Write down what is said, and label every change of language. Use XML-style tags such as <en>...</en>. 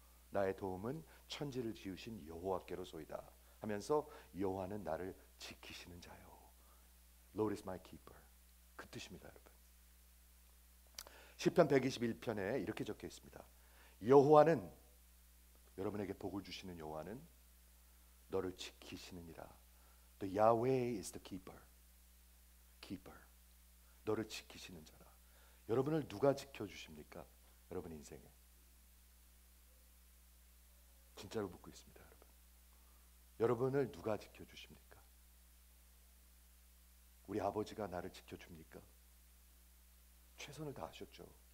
<ko>나의 도움은 천지를 지으신 여호와께로소이다 하면서 여호와는 나를 지키시는 자요</ko> <en>Lord is my keeper.</en> <ko>그 뜻입니다 여러분. 시편 121편에 이렇게 적혀 있습니다. 여호와는 여러분에게 복을 주시는 여호와는 너를 지키시느니라.</ko> <en>The Yahweh is the keeper.</en> <ko>Keeper. 너를 지키시는 자라. 여러분을 누가 지켜주십니까? 여러분 인생에. 진짜로 묻고 있습니다. 여러분. 여러분을 누가 지켜주십니까? 우리 아버지가 나를 지켜줍니까? 최선을 다하셨죠.</ko>